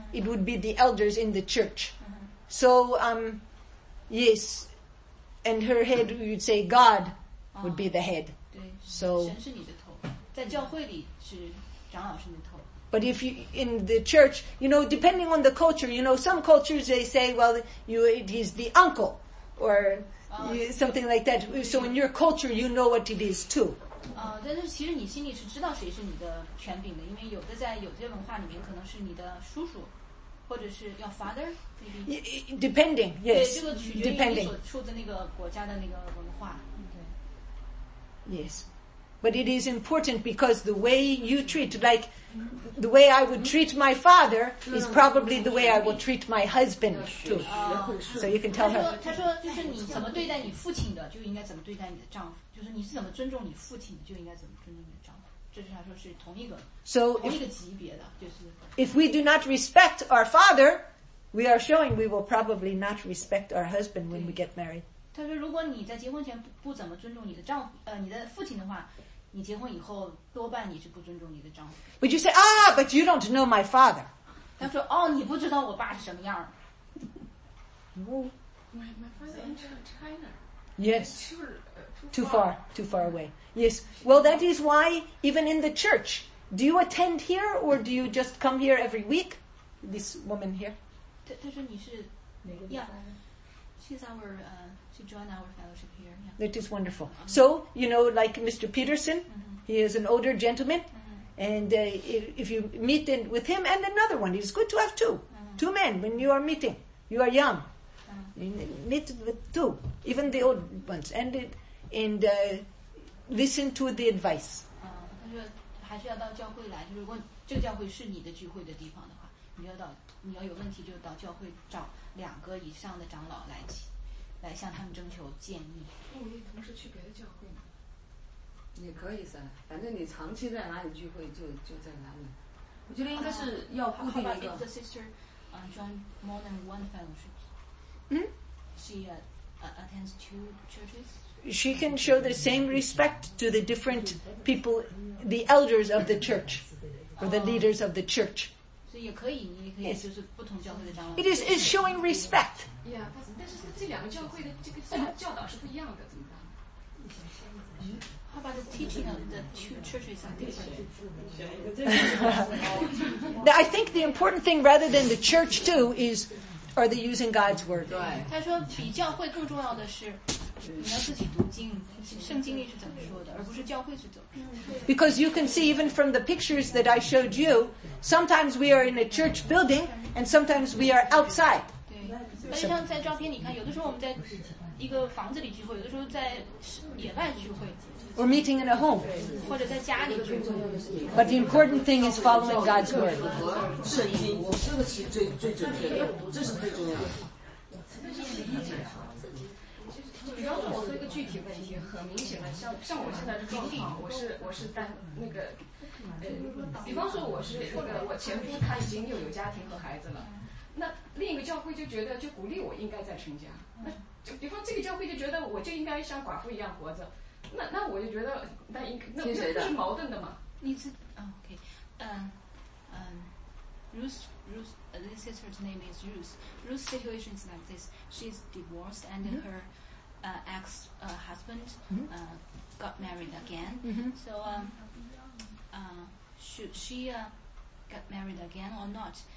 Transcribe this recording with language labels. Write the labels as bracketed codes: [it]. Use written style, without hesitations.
[en] It would be the elders in the church. So yes. And her head, you'd say God would be the head. [zh] 对， [en] so, [zh] 神是你的头，在教会里是长老是你的头。 [en] But if you, in the church, you know, depending on the culture, you know, some cultures they say, well, you, it is the uncle, or something like that. So in your culture, you know what it is too. [zh] 但是其实你心里是知道谁是你的权柄的，因为有的在有些文化里面可能是你的叔叔，或者是 [en] your father, maybe. Depending, yes. [zh] 对，这个取决于你所处的那个国家的那个文化。 [en] Yes. But it is important because the way you treat, like, the way I would treat my father is probably the way I will treat my husband too. So you can tell her. [zh] 他说就是你怎么对待你父亲的就应该怎么对待你的丈夫，就是你是怎么尊重你父亲就应该怎么尊重你的丈夫，这是他说是同一个， [en] so [zh] 同一个级别的，就是 [en] if we do not respect our father, we are showing we will probably not respect our husband when we get married. [zh] 他说如果你在结婚前 不怎么尊重你的丈夫，你的父亲的话，你结婚以后多半你是不尊重你的丈夫。 [en] But you say, ah, but you don't know my father. [zh] 他说，哦，你不知道我爸是什么样。 [en] No. My father entered China. Yes. Too far. Too far away. Yes. Well, that is why even in the church, do you attend here or do you just come here every week? This woman here. [zh] 他说你是哪个地方？ [en] Yeah. She's our, to join our fellowship here. That is wonderful. So, you know, like Mr. Peterson, he is an older gentleman, and if you meet in with him and another one, it's good to have two. Two men when you are meeting. You are young. You meet with two, even the old ones, and listen to the advice. [zh] 他说还是要到教会来，就如果这个教会是你的聚会的地方的话，你要有问题就到教会找两个以上的长老来请。来向他们征求建议。我可以同时去别的教会吗？也可以噻，反正你长期在哪里聚会就在哪里。我觉得应该是要固定一个。 [en] How about if the sister, join more than one fellowship? She attends two churches. She can show the same respect to the different people, the elders of the church, or the leaders of the church. [zh] 所以也可以，你也可以，就是不同教会的长老。 [en] It is is showing respect. [zh] Yeah, 但是这两个教会的这个教导是不一样的，怎么办？ [en] How about the teaching of the two churches? Now, I think the important thing, rather than the church too, is are they using God's word? [zh] 对，他说比教会更重要的是你要自己读经，圣经里是怎么说的，而不是教会是怎么说的。 [en] Because you can see even from the pictures that I showed you, sometimes we are in a church building and sometimes we are outside. [zh] 对，但像在照片里看，有的时候我们在一个房子里聚会，有的时候在野外聚会。 [en] Or meeting in a home. [zh] 或者在家里聚会。 [en] But the important thing is following God's word. [zh] 圣经，我这个是最准确的，这是最重要的。那是你的意见。比方说，我说一个具体问题，很明显的，像我现在的状况，我是单那个，比方说我是那个我前夫他已经有家庭和孩子了，那另一个教会就觉得就鼓励我应该再成家，那就比方这个教会就觉得我就应该像寡妇一样活着，那我就觉得那应该那这是矛盾的嘛？你是 [en] OK， Ruth this sister's name is Ruth. Ruth's situation is like this: she's divorced and her ex-husband got married again. So should she get married again or not?